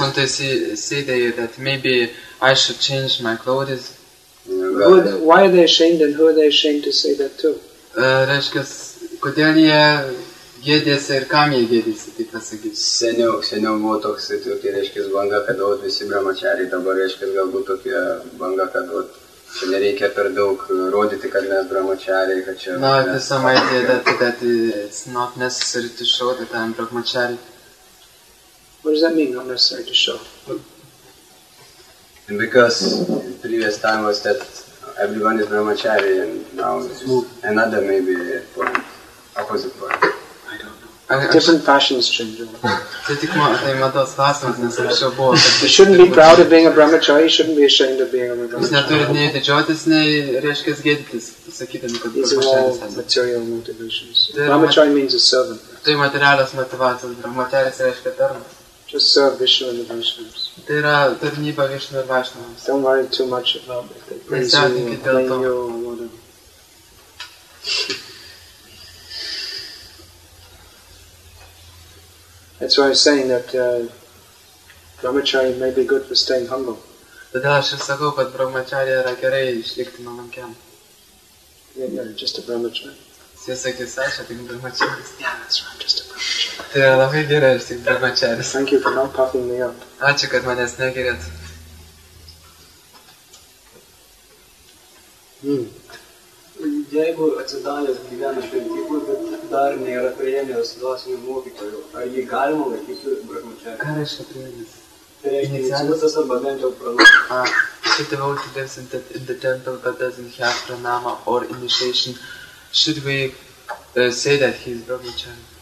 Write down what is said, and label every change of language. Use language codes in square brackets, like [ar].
[en] Sometimes say they that maybe I should change my clothes. Why are they ashamed and who are they ashamed to say that too? [lt] Reiškias, kodėl jie gėdėsi ir kam jie gėdėsi, taip pasakyti. Seniau buvo toks, tai reiškias banga, kad vat visi brahmačariai, dabar reiškias galbūt tokia banga, kad vat. Čia nereikia per daug rodyti, kad mes brahmačariai, kad čia... [en] No, it's some idea that it's not necessary to show that I'm brahmačariai. What does that mean, not necessary to show? And because the previous time was that everyone is brahmačariai and now it's another maybe point, opposite point. I don't know. Different fashions change. [lt] Tai tik mados klausimas, nes anksčiau buvo. [en] You shouldn't be proud of being a brahmachari, you shouldn't be ashamed of being a brahmachari. [lt] Jūs neturit nei didžiuotis, nei reiškias gėdytis, sakydami, kad brahmacharis yra. [en] Material motivations. Brahmachari means a servant. [lt] Tai materialios motivacijos, brahmacharis reiškia tarnas. [en] Just serve Vishnu and the Vaishnavas. [lt] Tai yra tarnyba Vishnu ir Vaishnavas. [en] Don't worry too much about it. If they praise you or blame you or whatever. That's why I was saying that brahmachari may be good for staying humble. [lt] Todėl aš ir sakau, kad brahmachari yra gerai išlikti nuolankiam. [en] Yeah, just a brahmachari. [lt] Jis sakys, aš tik brahmachari. [en] Yeah, that's right, just a brahmachari. [lt] Tai yra labai gerai, aš tik brahmachari. [en] Thank you for not puffing me up. [lt] Ačiū, kad manęs negirėt. Jeigu atsidalęs gyvena šventyklui, bet dar nėra priėmęs dvasinių mokytojų, ar jį galima laikyti brahmačarį? Ką reiškia priėmęs? Inicijatas arba bent jau pranamas. [en] Should the devotee lives in the temple but doesn't have pranama or initiation, should we say that he is brahmachari?